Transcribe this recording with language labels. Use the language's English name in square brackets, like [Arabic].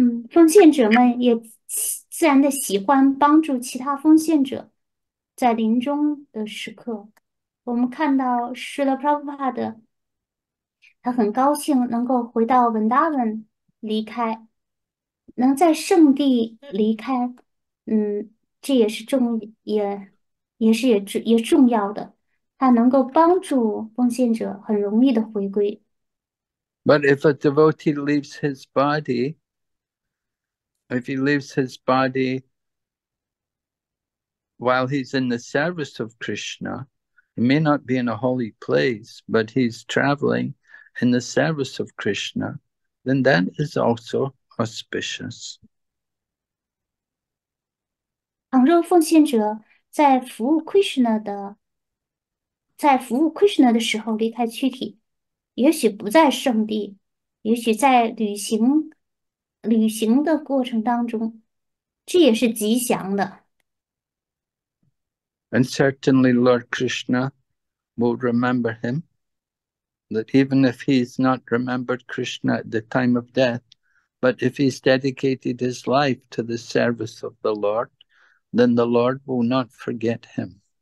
[Chinese] 奉献者们也自然的喜欢帮助其他奉献者，在临终的时刻，我们看到施乐普帕的，他很高兴能够回到文达文离开，能在圣地离开，这也是重也也是也也重要的，他能够帮助奉献者很容易的回归。 [English] But if a devotee leaves his body, if he leaves his body while he's in the service of Krishna, he may not be in a holy place, but he's traveling in the service of Krishna, then that is also auspicious. [Chinese] 倘若奉献者在服务 Krishna 的时候离开躯体，也许不在圣地，也许在旅行的过程当中，这也是吉祥的。 [English] And certainly Lord Krishna will remember him, that even if he's not remembered Krishna at the time of death, but if he's dedicated his life to the service of the Lord, then the Lord will not forget him.